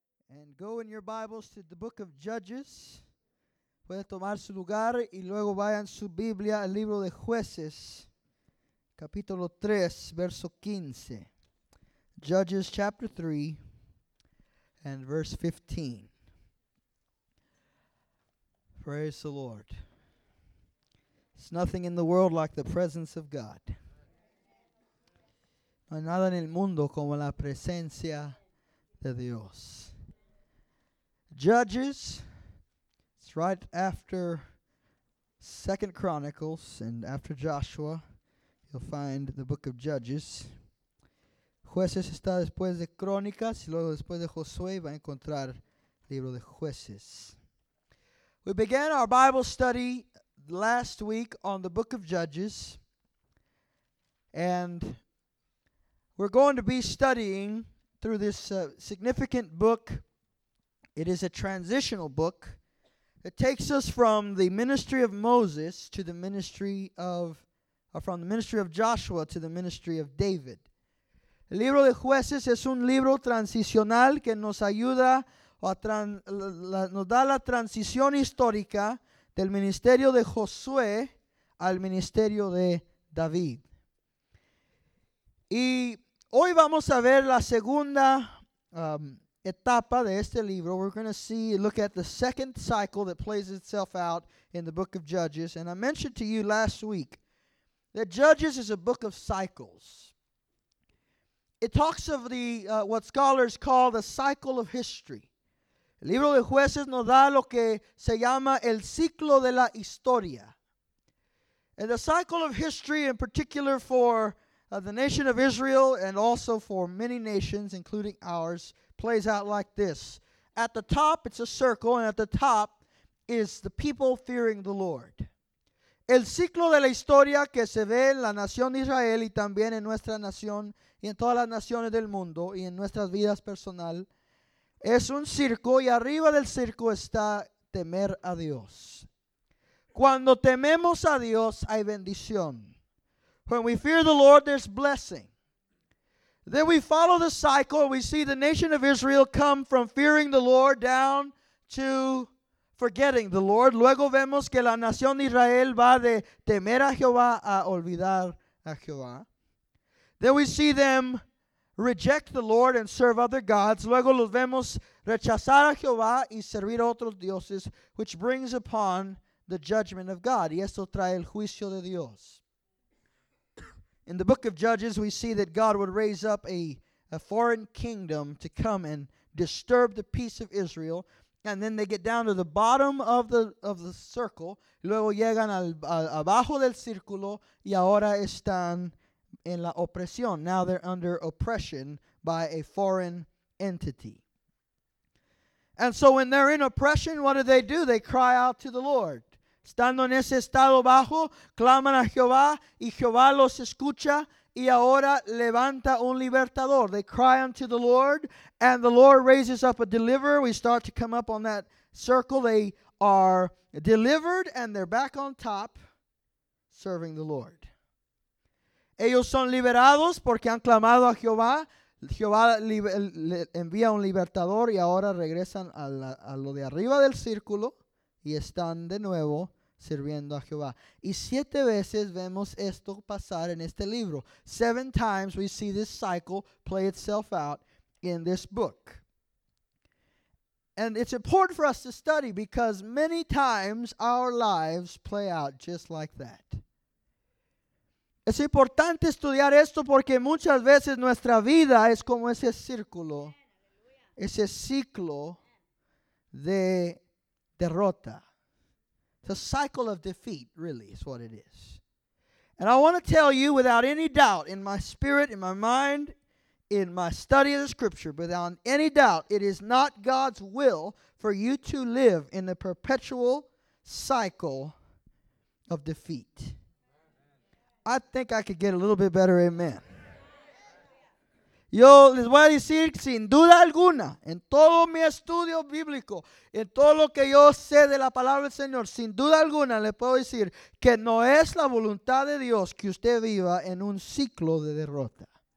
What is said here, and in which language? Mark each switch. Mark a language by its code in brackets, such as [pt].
[en] And go in your Bibles to the book of Judges. [es] Puede tomar su lugar y luego vayan su Biblia al libro de Jueces, capítulo 3, verso 15. [en] Judges chapter 3 and verse 15. Praise the Lord. It's nothing in the world like the presence of God. [es] No hay nada en el mundo como la presencia de Dios. [en] Judges, it's right after 2 Chronicles and after Joshua, you'll find the book of Judges. [es] Jueces está después de Crónicas y luego después de Josué va a encontrar el libro de Jueces. [en] We began our Bible study last week on the book of Judges, and we're going to be studying through this significant book. It is a transitional book. It takes us from the ministry of Moses to the ministry of, from the ministry of Joshua to the ministry of David. [es] El libro de Jueces es un libro transicional que nos ayuda o nos da la transición histórica del ministerio de Josué al ministerio de David. Y hoy vamos a ver la segunda etapa de este libro. [en] We're going to see, look at the second cycle that plays itself out in the book of Judges. And I mentioned to you last week that Judges is a book of cycles. It talks of the what scholars call the cycle of history. [es] El libro de Jueces nos da lo que se llama el ciclo de la historia. [en] And the cycle of history, in particular for the nation of Israel and also for many nations, including ours, plays out like this. At the top, it's a circle, and at the top is the people fearing the Lord. [es] El ciclo de la historia que se ve en la nación de Israel y también en nuestra nación y en todas las naciones del mundo y en nuestras vidas personal es un circo, y arriba del circo está temer a Dios. Cuando tememos a Dios, hay bendición. [en] When we fear the Lord, there's blessing. Then we follow the cycle, and we see the nation of Israel come from fearing the Lord down to forgetting the Lord. [es] Luego vemos que la nación de Israel va de temer a Jehová a olvidar a Jehová. [en] Then we see them reject the Lord and serve other gods. [es] Luego los vemos rechazar a Jehová y servir a otros dioses, [en] which brings upon the judgment of God. [es] Y esto trae el juicio de Dios. [en] In the book of Judges, we see that God would raise up a foreign kingdom to come and disturb the peace of Israel. And then they get down to the bottom of the circle. [es] Luego llegan abajo del círculo y ahora están en la opresión. [en] Now they're under oppression by a foreign entity. And so when they're in oppression, what do? They cry out to the Lord. [es] Estando en ese estado bajo, claman a Jehová, y Jehová los escucha, y ahora levanta un libertador. [en] They cry unto the Lord, and the Lord raises up a deliverer. We start to come up on that circle. They are delivered, and they're back on top, serving the Lord. [es] Ellos son liberados porque han clamado a Jehová. Jehová envía un libertador, y ahora regresan a lo de arriba del círculo, y están de nuevo sirviendo a Jehová. Y siete veces vemos esto pasar en este libro. [en] Seven times we see this cycle play itself out in this book. And it's important for us to study because many times our lives play out just like that. [es] Es importante estudiar esto porque muchas veces nuestra vida es como ese círculo, ese ciclo de derrota. [en] It's a cycle of defeat, really, is what it is. And I want to tell you without any doubt in my spirit, in my mind, in my study of the scripture, without any doubt, it is not God's will for you to live in a perpetual cycle of defeat. I think I could get a little bit better, amen. [es] Yo les voy a decir, sin duda alguna, en todo mi estudio bíblico, en todo lo que yo sé de la palabra del Señor, sin duda alguna le puedo decir que no es la voluntad de Dios que usted viva en un ciclo de derrota.